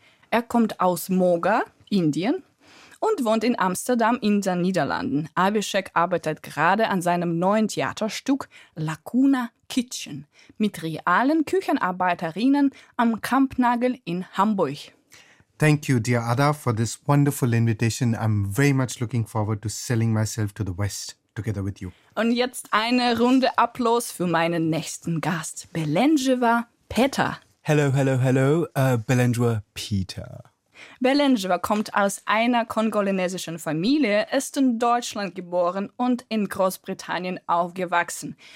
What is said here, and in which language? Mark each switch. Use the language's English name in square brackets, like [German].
[German] Er kommt aus Moga, Indien, und wohnt in Amsterdam in den Niederlanden. Abhishek arbeitet gerade an seinem neuen Theaterstück Lacuna Kitchen mit realen Küchenarbeiterinnen am Kampnagel in Hamburg. [English] Thank you, dear Ada, for this wonderful invitation. I'm very much looking forward to selling myself to the West together with you. [German] Und jetzt eine Runde Applaus für meinen nächsten Gast, Belenjewa Peter. [English] Hello, hello, hello, Belenjewa Peter. [German] Belenjewa kommt aus einer kongolesischen Familie, ist in Deutschland geboren und in Großbritannien aufgewachsen.